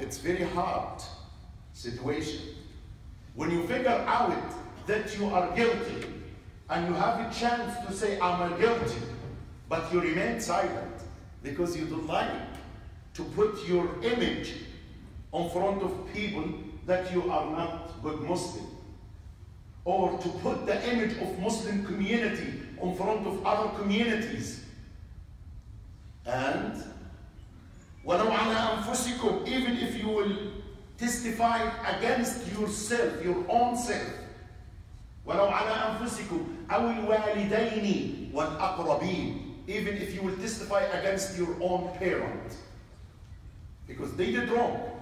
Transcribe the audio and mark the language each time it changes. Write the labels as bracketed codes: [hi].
[en] It's very hard situation. When you figure out that you are guilty and you have a chance to say, I'm a guilty, but you remain silent because you don't like to put your image in front of people that you are not good Muslim. Or to put the image of Muslim community in front of other communities. [ar] And وَلَوْ عَلَىٰ أَنفُسِكُمْ. [en] Even if you will testify against yourself, your own self. [ar] وَلَوْ عَلَىٰ أَنفُسِكُمْ أَوِ الْوَالِدَيْنِ وَالْأَقْرَبِينَ. [en] Even if you will testify against your own parent. Because they did wrong.